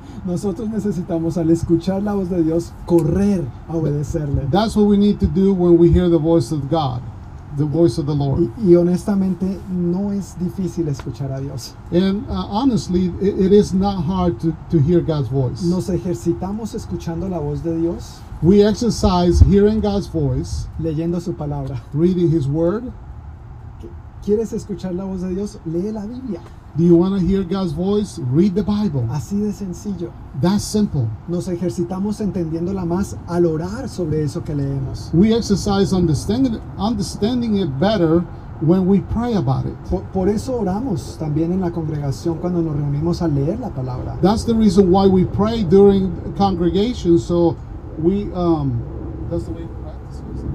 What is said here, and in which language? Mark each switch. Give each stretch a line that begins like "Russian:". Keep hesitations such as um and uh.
Spanish: nosotros necesitamos al escuchar la voz de Dios correr a obedecerle.
English: That's what we need to do when we hear the voice of God the voice of the Lord.
Spanish: Y, y, honestamente no es difícil escuchar a Dios.
English: And uh, honestly, it, it is not hard to, to hear God's voice.
Spanish: Nos ejercitamos escuchando la voz de Dios.
English: We exercise hearing God's voice.
Spanish: Leyendo su palabra.
English: Reading His word.
Spanish: ¿Quieres escuchar la voz de Dios? Lee la Biblia.
English: Do you want to hear God's voice? Read the Bible.
Spanish: Así de sencillo.
English: That simple.
Spanish: Nos ejercitamos entendiéndola más al orar sobre eso que leemos.
English: We exercise understanding understanding it better when we pray about it.
Spanish: Por, por eso oramos también en la congregación cuando nos reunimos a leer la palabra.
English: That's the reason why we pray during the congregation so we um, that's the way we practice it.